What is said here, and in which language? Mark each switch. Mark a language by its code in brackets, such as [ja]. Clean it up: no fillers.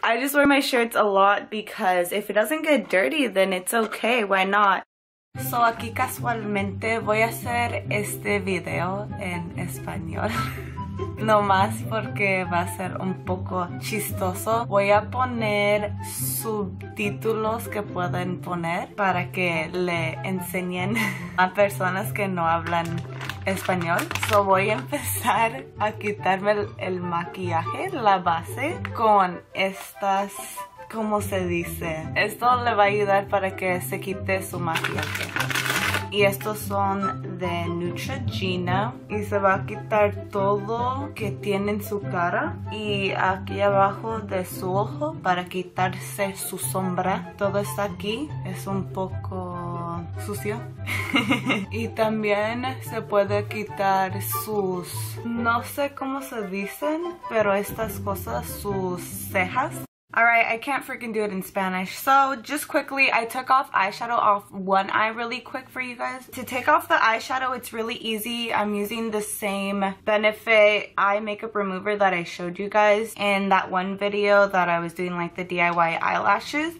[en] I just wear my shirts a lot because if it doesn't get dirty, then it's okay. Why not? [es] So, aquí casualmente voy a hacer este video en español. No más porque va a ser un poco chistoso. Voy a poner subtítulos que pueden poner para que le enseñen a personas que no hablan español. So voy a empezar a quitarme el maquillaje, la base, con estas, ¿cómo se dice? Esto le va a ayudar para que se quite su maquillaje. Y estos son de Neutrogena. Y se va a quitar todo que tiene en su cara. Y aquí abajo de su ojo para quitarse su sombra. Todo está aquí. Es un poco sucio. Y también se puede quitar sus, no sé cómo se dicen, pero estas cosas, sus cejas. [en] Alright, I can't freaking do it in Spanish. So, just quickly, I took off eyeshadow off one eye really quick for you guys. To take off the eyeshadow, it's really easy. I'm using the same Benefit eye makeup remover that I showed you guys in that one video that I was doing, like, the DIY eyelashes.